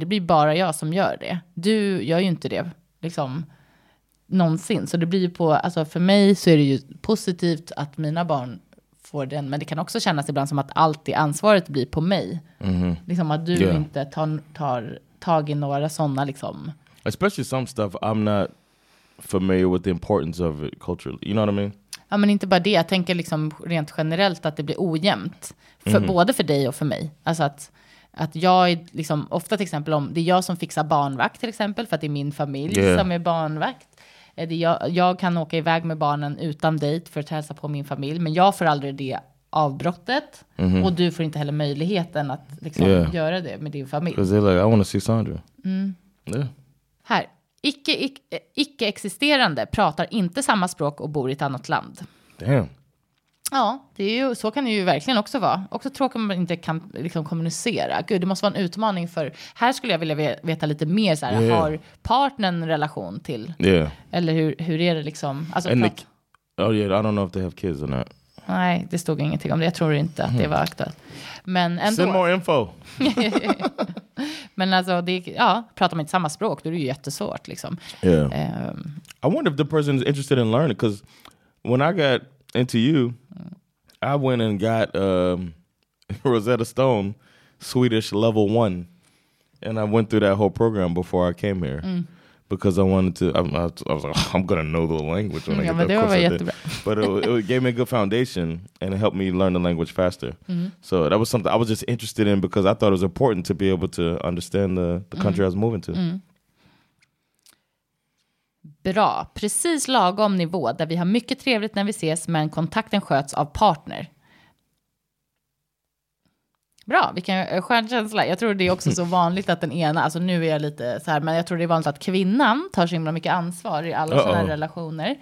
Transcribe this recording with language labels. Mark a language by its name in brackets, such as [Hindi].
[Swedish] Det blir bara jag som gör det. Du gör ju inte det liksom någonsin. Så det blir ju på, alltså för mig så är det ju positivt att mina barn får den, men det kan också kännas ibland som att allt det ansvaret blir på mig. Mm-hmm. Liksom att du inte tar tag i några sådana liksom. [English] Especially some stuff I'm not familiar with the importance of it culturally. You know what I mean? [Swedish] Ja, men inte bara det. Jag tänker liksom rent generellt att det blir ojämnt. För både för dig och för mig. Alltså att jag är liksom, ofta till exempel om det är jag som fixar barnvakt till exempel. För att det är min familj som är barnvakt. Det är jag kan åka iväg med barnen utan dejt för att hälsa på min familj. Men jag får aldrig det avbrottet. Mm-hmm. Och du får inte heller möjligheten att liksom göra det med din familj. [English] Because they're like, I want to see Sandra. Mm. Yeah. [Swedish] Här. Icke-existerande pratar inte samma språk och bor i ett annat land. [English] Damn. [Swedish] Ja, det är ju, så kan det ju verkligen också vara. Också tråkigt om man inte kan liksom kommunicera. Gud, det måste vara en utmaning för... Här skulle jag vilja veta lite mer. Så här, har partnern en relation till? [English] Yeah. [Swedish] Eller hur är det liksom? Alltså, [English] Oh yeah, I don't know if they have kids or not. [Swedish] Nej, det stod ingenting om det. Jag tror inte att det var aktuellt. Men ändå... [English] Send more info. [Swedish] Men alltså, det, ja, pratar man inte samma språk, då är det ju jättesvårt, liksom. [English] Yeah. I wonder if the person is interested in learning, because when I got into you, I went and got Rosetta Stone, Swedish level 1. And I went through that whole program before I came here. Because I wanted to, I was like, oh, I'm going to know the language when I get that course. But it gave me a good foundation and it helped me learn the language faster. Mm-hmm. So that was something I was just interested in because I thought it was important to be able to understand the country I was moving to. Mm. [Swedish] Bra. Precis lagom nivå där vi har mycket trevligt när vi ses men kontakten sköts av partner. Bra, vilken skön känsla. Jag tror det är också så vanligt att den ena, alltså nu är jag lite så här, men jag tror det är vanligt att kvinnan tar så himla mycket ansvar i alla sådana här relationer.